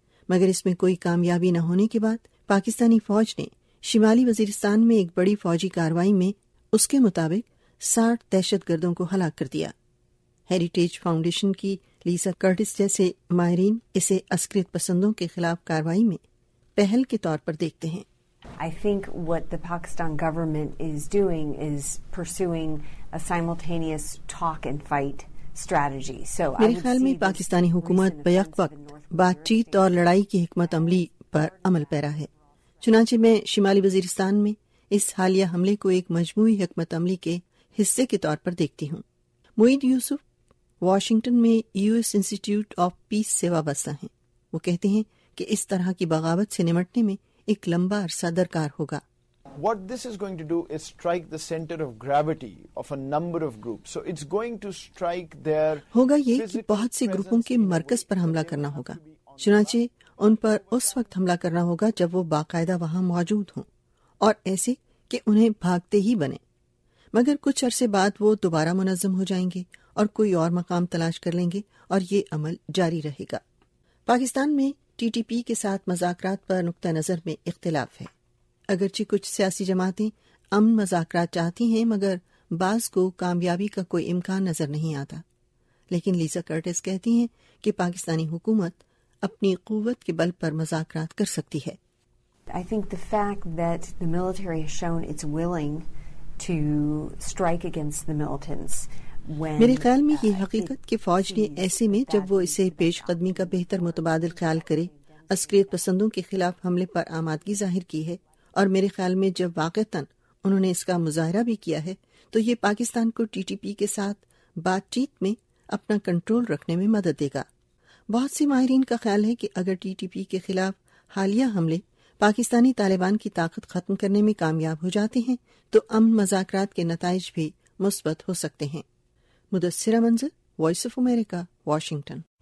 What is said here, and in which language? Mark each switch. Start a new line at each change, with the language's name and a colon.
Urdu: مگر اس میں کوئی کامیابی نہ ہونے کے بعد پاکستانی فوج نے شمالی وزیرستان میں ایک بڑی فوجی کارروائی میں اس کے مطابق 60 دہشت گردوں کو ہلاک کر دیا۔ ہیریٹیج فاؤنڈیشن کی لیزا کرٹس جیسے ماہرین اسے عسکریت پسندوں کے خلاف کارروائی میں پہل کے طور پر دیکھتے ہیں۔
English: I think what the Pakistan government is doing is pursuing a simultaneous talk and fight strategy. So
Urdu: میرے خیال میں پاکستانی حکومت بیک وقت بات چیت اور لڑائی کی حکمت عملی پر عمل پیرا ہے، چنانچہ میں شمالی وزیرستان میں اس حالیہ حملے کو ایک مجموعی حکمت عملی کے حصے کے طور پر دیکھتی ہوں۔ معید یوسف واشنگٹن میں U S institute of peace سے وابستہ ہیں، وہ کہتے ہیں کہ اس طرح کی بغاوت سے نمٹنے میں ایک لمبا عرصہ درکار ہوگا۔
English: What this is going to do is strike the center of gravity of a number of groups. So it's going to strike their
Urdu: ہوگا یہ کہ بہت سے گروپوں کے مرکز پر حملہ کرنا ہوگا، چنانچہ ان پر اس وقت حملہ کرنا ہوگا جب وہ باقاعدہ وہاں موجود ہوں، اور ایسے کہ انہیں بھاگتے ہی بنے، مگر کچھ عرصے بعد وہ دوبارہ منظم ہو جائیں گے اور کوئی اور مقام تلاش کر لیں گے، اور یہ عمل جاری رہے گا۔ پاکستان میں ٹی ٹی پی کے ساتھ مذاکرات پر نقطہ نظر میں اختلاف ہے۔ اگرچہ کچھ سیاسی جماعتیں امن مذاکرات چاہتی ہیں، مگر بعض کو کامیابی کا کوئی امکان نظر نہیں آتا۔ لیکن لیزا کرٹس کہتی ہیں کہ پاکستانی حکومت اپنی قوت کے بل پر مذاکرات کر سکتی ہے۔
English: I think the fact that the military has shown it's willing to strike against the militants
Urdu: میرے خیال میں یہ حقیقت کہ فوج نے ایسے میں جب وہ اسے پیش قدمی کا بہتر متبادل خیال کرے عسکریت پسندوں کے خلاف حملے پر آمادگی ظاہر کی ہے، اور میرے خیال میں جب واقعتاً انہوں نے اس کا مظاہرہ بھی کیا ہے، تو یہ پاکستان کو ٹی ٹی پی کے ساتھ بات چیت میں اپنا کنٹرول رکھنے میں مدد دے گا۔ بہت سے ماہرین کا خیال ہے کہ اگر ٹی ٹی پی کے خلاف حالیہ حملے پاکستانی طالبان کی طاقت ختم کرنے میں کامیاب ہو جاتے ہیں تو امن مذاکرات کے نتائج بھی مثبت ہو سکتے ہیں۔ مدثرہ منظر، وائس آف امریکہ، واشنگٹن۔